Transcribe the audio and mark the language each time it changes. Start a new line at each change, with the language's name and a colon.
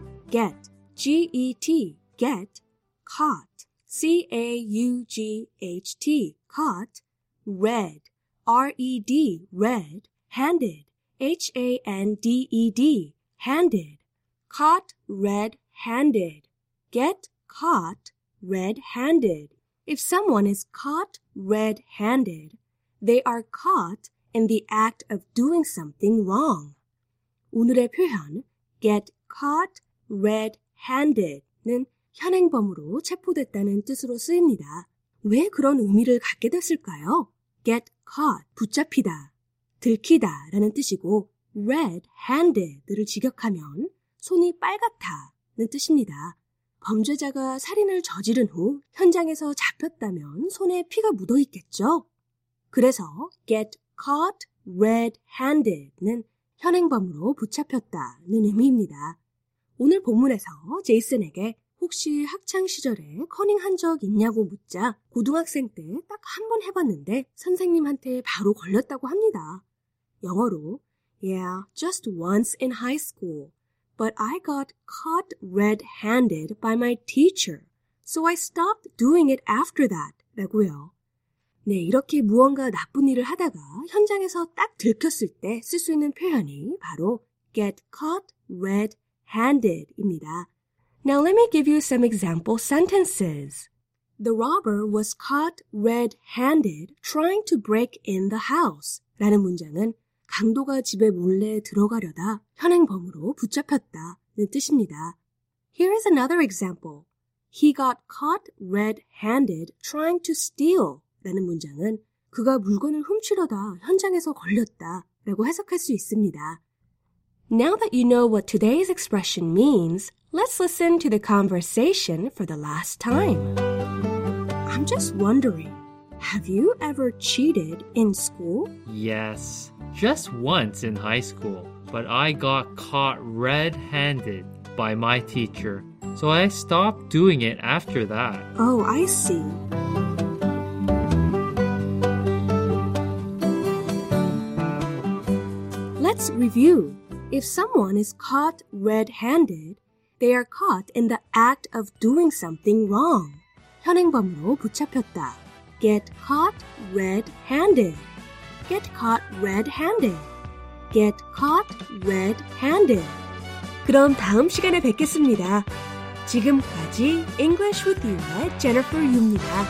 English: get, G-E-T, get, caught, C-A-U-G-H-T, caught, red, R-E-D, red, handed, H-A-N-D-E-D, handed, caught, red-handed, get caught, red-handed. If someone is caught red-handed, they are caught in the act of doing something wrong.
Korean: 오늘의 표현, get caught red-handed 는 현행범으로 체포됐다는 뜻으로 쓰입니다. 왜 그런 의미를 갖게 됐을까요? get caught, 붙잡히다, 들키다 라는 뜻이고, red-handed를 직역하면 손이 빨갛다는 뜻입니다. 범죄자가 살인을 저지른 후 현장에서 잡혔다면 손에 피가 묻어 있겠죠? 그래서 get caught red-handed는 현행범으로 붙잡혔다는 의미입니다. 오늘 본문에서 제이슨에게 혹시 학창시절에 커닝한 적 있냐고 묻자 고등학생 때 딱 한 번 해봤는데 선생님한테 바로 걸렸다고 합니다.
English: 영어로 Yeah, just once in high school. But I got caught red-handed by my teacher, so I stopped doing it after that, 라고요.
Korean: 네, 이렇게 무언가 나쁜 일을 하다가 현장에서 딱 들켰을 때 쓸 수 있는 표현이 바로 get caught red-handed 입니다.
English: Now let me give you some example sentences. The robber was caught red-handed trying to break in the house, 라는 문장은 강도가 집에 몰래 들어가려다 현행범으로 붙잡혔다는 뜻입니다. Here is another example.
Korean: He got caught red-handed trying to steal 라는 문장은 그가 물건을 훔치려다 현장에서 걸렸다 라고 해석할 수 있습니다.
English: Now that you know what today's expression means, let's listen to the conversation for the last time. I'm just wondering, have you ever cheated in school? Yes. Just once in high school, but I got caught red-handed by my teacher, so I stopped doing it after that. Oh, I see. Let's review. If someone is caught red-handed, they are caught in the act of doing something wrong.
Korean: 현행범으로 붙잡혔다. Get caught red-handed.
English: Get caught red-handed. Get caught red-handed.
Korean: 그럼 다음 시간에 뵙겠습니다. 지금까지 English with You의 Jennifer Yu입니다.